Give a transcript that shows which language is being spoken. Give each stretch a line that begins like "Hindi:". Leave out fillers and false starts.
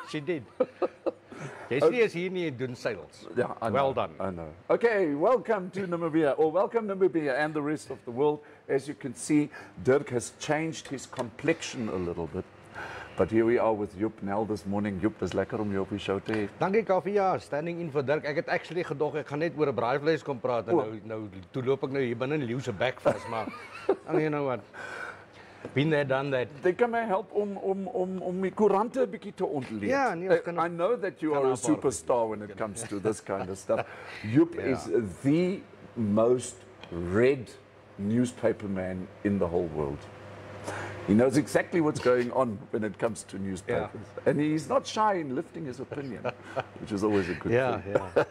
English: She did. Jesse is here near Dun Sales. Yeah, I know. Well done. I know. Okay, welcome to Namibia, or welcome Namibia and the rest of the world. As you can see, Dirk has changed his complexion a little bit. But here we are with Joep Nel this morning.
Afrikaans: Joep, dis lekker om jou op die show te hê. Dankie Kaffie, ja,
English: standing in
Afrikaans: vir Dirk. Ek het actually gedog ek gaan net oor 'n braai vleis kom praat en nou toe loop ek nou hier binne in die leeuse bek vas, maar
English: and you know what? Been there, done that.
Afrikaans: Dink aan my help om die koerante 'n bietjie te ontleed. Ja, nee,
English: I know that you are a superstar when it comes to this kind of stuff. Joep is the most read newspaper man in the whole world. He knows exactly what's going on when it comes to newspapers. Yeah. And he's not shy in lifting his opinion, which is always a good thing.